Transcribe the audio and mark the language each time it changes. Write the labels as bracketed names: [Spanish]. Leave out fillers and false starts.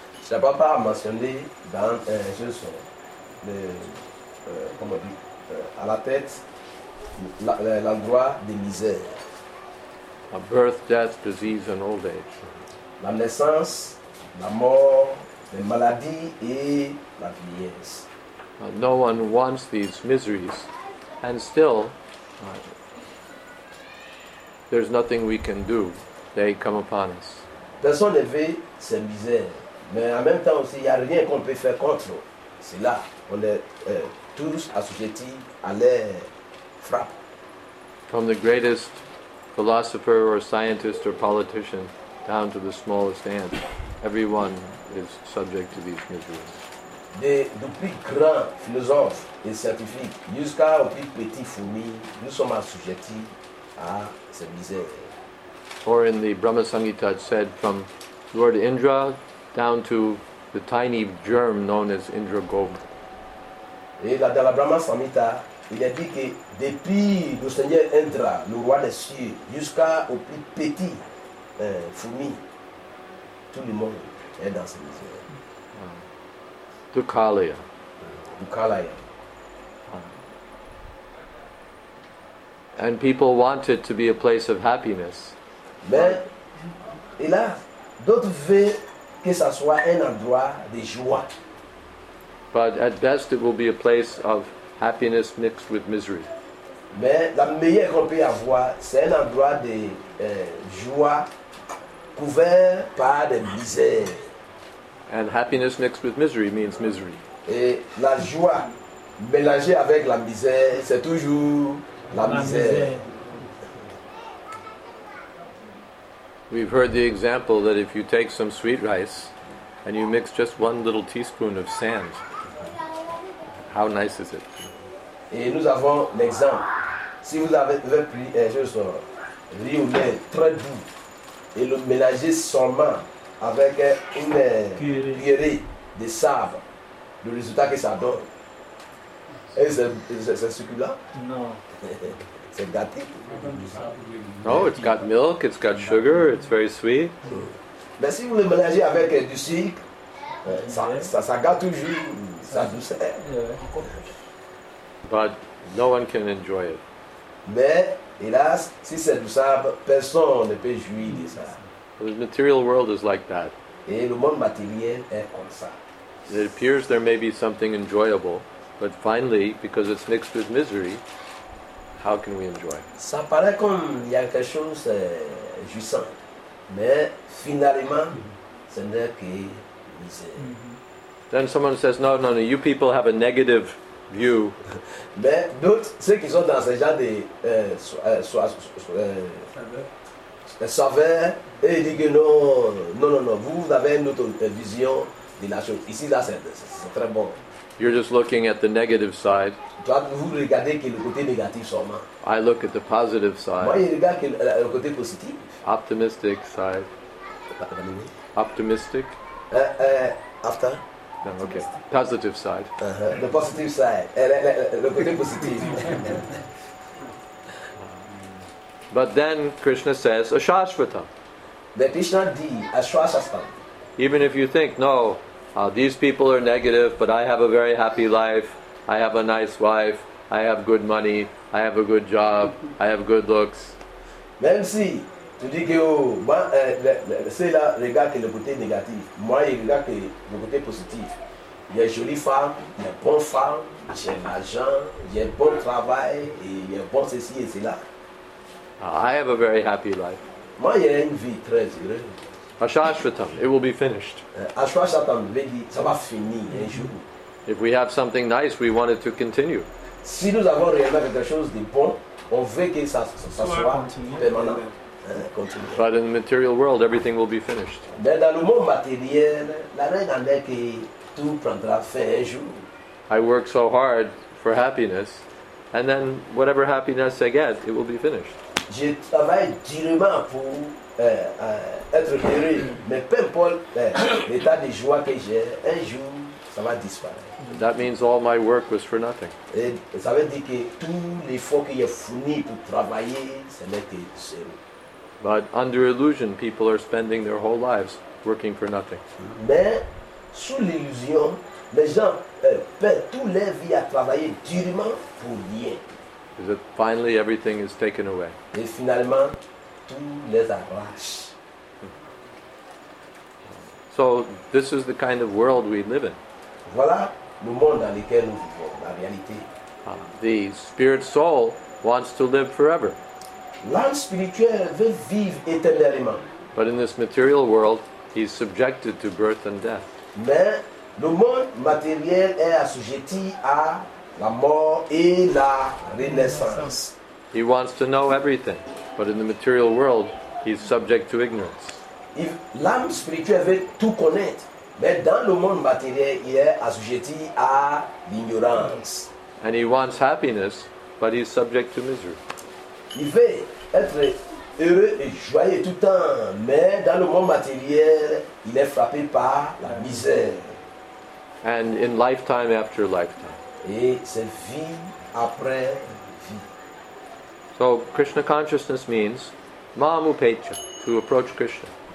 [French] Le papa a mentionné dans un à la tête l'endroit de misère. [English] A birth, death, disease, and old age. [French] La naissance, la mort, les maladies et la vieillesse. [English] No one wants these miseries, and still, there's nothing we can do. They come upon us. [French] Personne ne veut ces misères. Mais en même temps aussi, il n'y a rien qu'on peut faire contre. C'est là, on est tous assujettis à leur frappe. [English] From the greatest philosopher or scientist or politician down to the smallest ant, everyone is subject to these miseries. [French] Du plus grand philosophe et scientifique jusqu'à au plus petit fourmi, nous sommes assujettis à ces misères. [English] Or in the Brahma Sangita, it said from Lord Indra, down to the tiny germ known as Indra Govind. [French] Et là, dans la Brahma Samhita, il est dit que depuis le Seigneur Indra, le roi des cieux, jusqu'à au plus petit fourmi, tout le monde est dans ses misères. [Sanskrit] Dukkhalaya. Dukkhalaya. [English] And people want it to be a place of happiness. [French] Mais, et là, d'autres veulent que ça soit un endroit de joie. [English] But at best it will be a place of happiness mixed with misery. [French] Mais la meilleure qu'on peut avoir, c'est un endroit de joie couvert par des misères. [English] And happiness mixed with misery means misery. [French] Et la joie mélangée avec la misère, c'est toujours la misère. [English] We've heard the example that if you take some sweet rice and you mix just one little teaspoon of sand, how nice is it? [French] Et nous avons l'exemple. Si vous avez pris riz ou lait très doux et le mélangez seulement avec une cuillerée de sable, le résultat que ça donne, c'est succulent? Non. [English] No, oh, it's got milk, it's got sugar, it's very sweet. [French] Mais si vous le mélangez avec du sucre, ça gâte toujours sa douceur. [English] But no one can enjoy it. [French] Mais hélas, si c'est du sable, personne ne peut jouir de ça. [English] The material world is like that. [French] Et le monde matériel est comme ça. [English] It appears there may be something enjoyable, but finally, because it's mixed with misery, how can we enjoy? [French] Ça paraît comme il y a quelque chose jouissant, mais finalement, ce n'est que misère. [English] Then someone says, "No, no, no! You people have a negative view." [French] Mais d'autres, ceux qui sont dans ce genre de saveur, ils disent que non, non, non, non. Vous avez une autre vision Ici, là, c'est très bon. [English] You're just looking at the negative side. [French] Toi, vous regardez que le côté négatif seulement. [English] I look at the positive side. [French] Moi, je regarde que le côté positif. [English] Optimistic side. Optimistic. After. No, okay. Positive side. The positive side. [French] Le côté positif. [English] But then Krishna says, Ashashvatam. But Krishna says, Ashashvatam. Even if you think, no, these people are negative, but I have a very happy life, I have a nice wife, I have good money, I have a good job, I have good looks. [French] Même si tu dis que c'est là, regarde que le côté négatif. Moi, je regarde que le côté positif. Il y a une jolie femme, il y a une bonne femme, j'ai un argent, il y a un bon travail, et il y a un bon ceci et cela. [English] I have a very happy life. [French] Moi, j'ai une vie très heureuse. [English] Ashashvatam, it will be finished. [French] Ashashvatam, ça va finir un jour. [English] If we have something nice, we want it to continue. [French] Si nous avons réellement quelque chose de bon, on veut que ça soit permanent. [English] But in the material world, everything will be finished. [French] Dans le monde matériel, la règle est que tout prendra fin un jour. [English] I work so hard for happiness, and then whatever happiness I get, it will be finished. [French] Je travaille durement pour être heureux, mais peu importe l'état de joie que j'ai, un jour ça va disparaître. [English] That means all my work was for nothing. [French] Et ça veut dire que tout l'effort que j'ai fourni pour travailler, ça n'était zéro. [English] But under illusion, people are spending their whole lives working for nothing. [French] Mais sous l'illusion, les gens perdent toute leur vie à travailler durement pour rien. [English] Is that finally everything is taken away. [French] Et finalement, tout les arrache. [English] So this is the kind of world we live in. [French] Voilà le monde dans lequel nous vivons, la réalité. [English] The spirit soul wants to live forever. [French] L'âme spirituelle veut vivre éternellement. [English] But in this material world, he's subjected to birth and death. [French] Mais le monde matériel est assujetti à la mort et la renaissance. [English] He wants to know everything, but in the material world, he's subject to ignorance. [French] L'âme spirituelle veut tout connaître, mais dans le monde matériel, il est assujetti à l'ignorance. [English] And he wants happiness, but he's subject to misery. [French] Il veut être heureux et joyeux tout le temps, mais dans le monde matériel, il est frappé par la misère. [English] And in lifetime after lifetime. [French] Et c'est vie après vie. [English] So, Krishna consciousness means mam upecha, to approach Krishna.